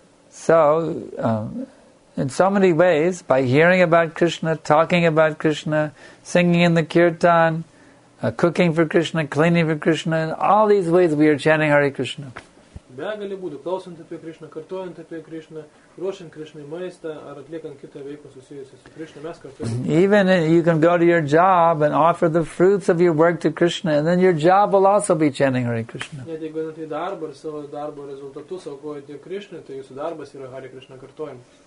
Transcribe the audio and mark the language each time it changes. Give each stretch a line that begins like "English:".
English: So, in so many ways, by hearing about Krishna, talking about Krishna, singing in the kirtan, cooking for Krishna, cleaning for Krishna, in all these ways we are chanting Hare Krishna.
Lithuanian: Begali būdų, klausant apie Krishna, kartuojant apie Krishna, ruošant Krishna maistą, ar atliekant kitą veiklą susijusią su Krishna, mes kartu.
English: Even you can go to your job and offer the fruits of your work to Krishna, and then your job will also be chanting Hare Krishna.
Lithuanian: Net jeigu einate į darbą ir savo darbo rezultatus aukojate Krishna, tai jūsų darbas yra Hare Krishna kartuojant.